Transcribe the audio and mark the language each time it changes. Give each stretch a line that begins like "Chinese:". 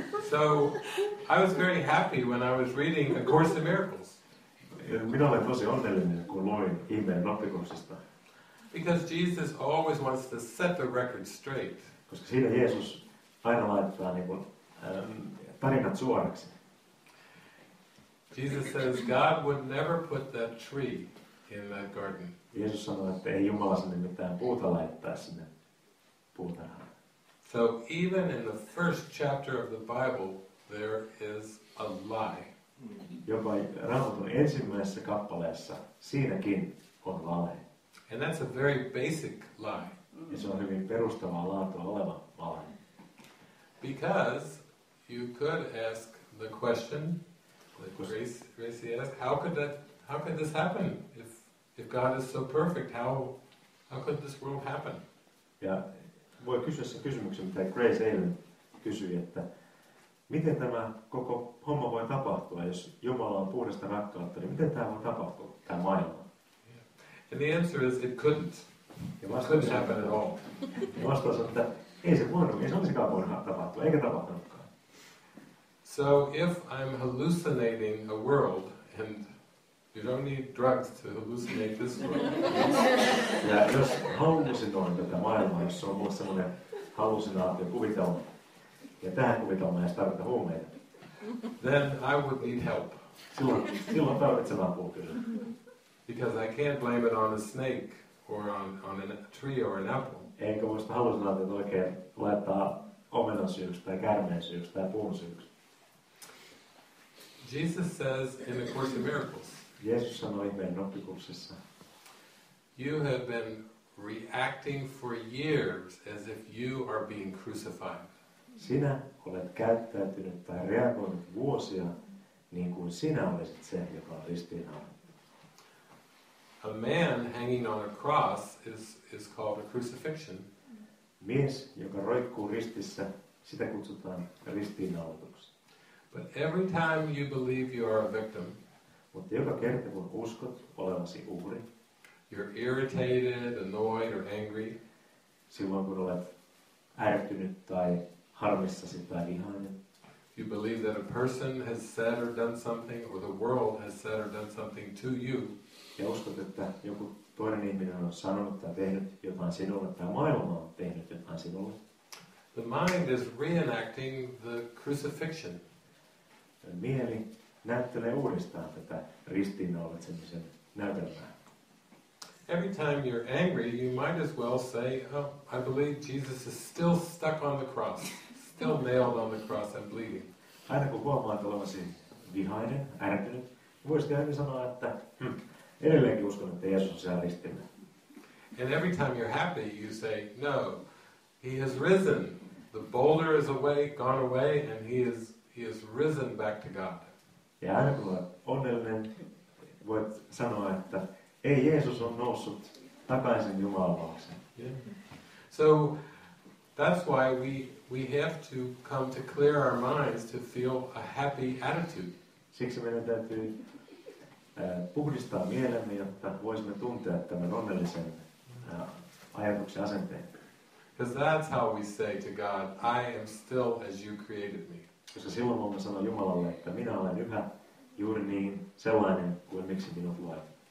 English: So I was very happy when I was reading A Course in Miracles.
Finnish: Minä olen tosi onnellinen, kun luin ihmeen oppikurssista.
English: Because Jesus always wants to set the record straight.
Finnish: Koska siinä Jeesus aina laittaa niin kuin, tarinat suoraksi.
English: Jesus says God would never put that tree in that garden.
Finnish: Jeesus sanoi, että ei Jumala sinne mitään puuta laittaa sinne puutarhaan.
English: So even in the first chapter of the Bible, there is a lie.
Finnish: Jopa Raamatun ensimmäisessä kappaleessa siinäkin on vale.
English: And that's a very basic lie.
Finnish: Ja se on hyvin perustavaa laatua oleva vale.
English: Because you could ask the question, Gracie asked, how could this happen? If God is so perfect, how could this world happen?
Finnish: Ja voi kysyä sen kysymyksen, mitä Grace eilen kysyi, että miten tämä koko homma voi tapahtua, jos Jumala on puhdasta rakkautta, niin miten tämä voi tapahtua, tämä maailma?
English: Yeah. And the answer is, it couldn't. It couldn't happen at all.
Finnish: Ja vastaus on, että ei se voinut, ei se olisikaan voinut tapahtua, eikä tapahtunutkaan.
English: So if I'm hallucinating a world, and you don't need drugs to hallucinate this world.
Finnish: Ja jos hallusinoin tätä maailmaa, jos on mulle sellainen hallusinaatio kuvitelma, ja tähän kuvitelmaan ei tarvita huumeita.
English: Then I would need help.
Finnish: Silloin tarvitsen apua kyllä.
English: Because I can't blame it on a snake or on a tree or an apple.
Finnish: Enkä voi sitä hallusinaatiota oikein laittaa omenan syyksi tai käärmeen syyksi tai puun syyksi.
English: Jesus says in the Course in Miracles.
Finnish: Jeesus sanoi ihmeen oppikurssissa.
English: You have been reacting for years as if you are being crucified.
Finnish: Sinä olet käyttäytynyt tai reagoinut vuosia, niin kuin sinä olisit se, joka on ristiinnaulittu.
English: A man hanging on a cross is called a crucifixion.
Finnish: Mies, joka roikkuu ristissä, sitä kutsutaan ristiinnaulituksi.
English: But every time you believe you are a victim,
Finnish: mutta joka kerta, kun uskot olevasi uhri,
English: you're irritated, annoyed or angry,
Finnish: silloin kun olet ärtynyt tai harmissasi tai vihainen,
English: you believe that a person has said or done something, or the world has said or done something to you.
Finnish: Ja uskot, että joku toinen ihminen on sanonut tai tehnyt jotain sinulle, tai maailma on tehnyt jotain sinulle.
English: The mind is reenacting the crucifixion.
Finnish: Mieli näyttelee uudestaan tätä ristiinnaulitsemisen näytelmää.
English: Every time you're angry, you might as well say, oh, I believe Jesus is still stuck on the cross. Still nailed on the cross and bleeding.
Finnish: Aina kun huomaat olevasi vihainen, ärtynyt, voisit aina sanoa, että edelleenkin uskon, että Jeesus on siellä ristillä.
English: And every time you're happy, you say, no, he has risen. The boulder is away, gone away, and he is risen back to God.
Finnish: Ja aina kun olet onnellinen, voit sanoa, että ei, Jeesus on noussut takaisin Jumalaksi.
English: Yeah. So that's why we have to come to clear our minds to feel a happy attitude.
Finnish: Siksi meidän täytyy puhdistaa mielemme, jotta voisimme tuntea tämän onnellisen ajatuksen asenteen.
English: Because that's how we say to God, I am still as you created me.
Finnish: Koska silloin voimme sanoa Jumalalle, että minä olen yhä juuri niin sellainen kuin miksi minut luet.